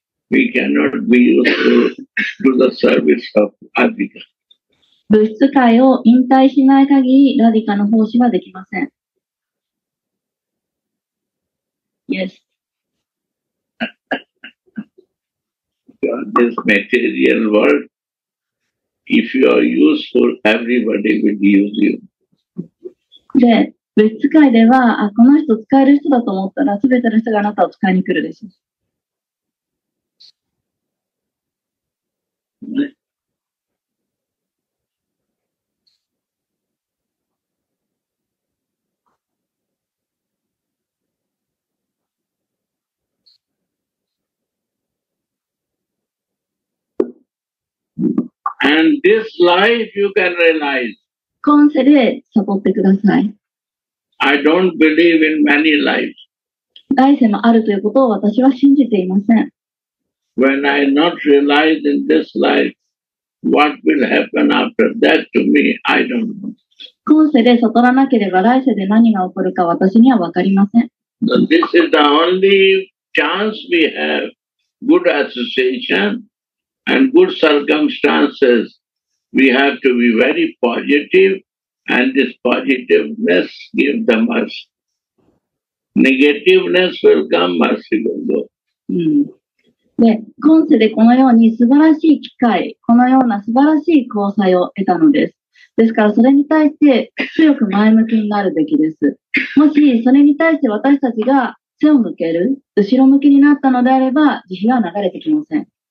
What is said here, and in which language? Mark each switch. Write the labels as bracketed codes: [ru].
[en] We cannot be useful to the service of Radhika. [ja] 物質界を引退しない限り、ラディカの奉仕はできません。 [en] Yes. From this material world, if you are useful, everybody will use you. [ja] で物質界では、あ、この人使える人だと思ったら、すべての人があなたを使いに来るでしょう。 [en] And this life you can realize. [ja] 今世で悟ってください。 [en] I don't believe in many lives. [ja] 来世もあるということを私は信じていません。 [en] When I not realize in this life, what will happen after that to me, I don't know. [ja] 今世で悟らなければ来世で何が起こるか私には分かりません。 [en] So、this is the only chance we have, good association and good circumstances. We have to be very positive and this positiveness give them us. Negativeness will come as we go. [ja] で、今世でこのように素晴らしい機会、このような素晴らしい交際を得たのです。ですからそれに対して強く前向きになるべきです。もしそれに対して私たちが背を向ける、後ろ向きになったのであれば、慈悲は流れてきません。